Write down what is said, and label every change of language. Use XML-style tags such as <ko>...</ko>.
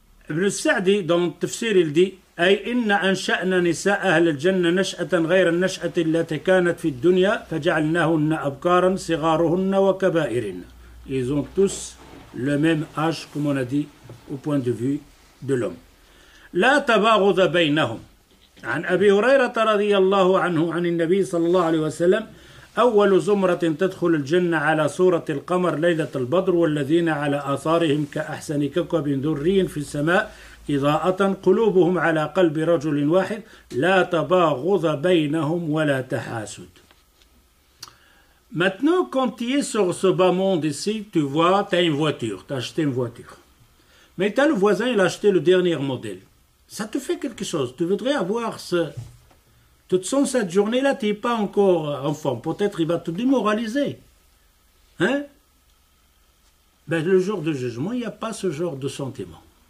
<fr>Ibn Sa'di, dans le tafsir, il dit</fr> <ar>أي إن أنشأنا نساء أهل الجنة نشأة غير النشأة التي كانت في الدنيا فجعلناهن أبكارا صغارهن وكبائرن.</ar> <fr>Ils ont tous le même âge, comme on a dit, au point de vue de l'homme.</fr> <ar>لا تباغض بينهم. عن أبي هريرة رضي الله عنه عن النبي صلى الله عليه وسلم أول زمرة تدخل الجنة على صورة القمر ليلة البدر والذين على آثارهم كأحسن كوكب ذري في السماء إضاءة قلوبهم على قلب رجل واحد لا تباغض بينهم ولا تحاسد.</ar> <fr>Maintenant, quand tu es sur ce bas monde ici, tu vois, tu as une voiture, tu as acheté une voiture. Mais tu as le voisin, il a acheté le dernier modèle. Ça te fait quelque chose. Tu voudrais avoir ce. Tu te sens cette journée-là, tu n'es pas encore en forme. Peut-être il va te démoraliser. Hein? Ben, le jour du jugement, il n'y a pas ce genre de sentiment.</fr>